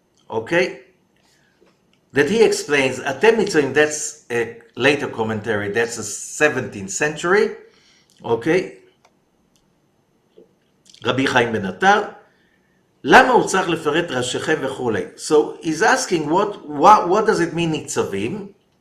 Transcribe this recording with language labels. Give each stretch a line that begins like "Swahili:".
English: Okay. That he explains, Atem Nitzavim, that's a later commentary, that's the 17th century. Okay.
Hebrew: Rabbi Chaim ben Atar, למה הוא צריך לפרט ראשיכם וכולי?
English: So he's asking, what does it mean Nitzavim?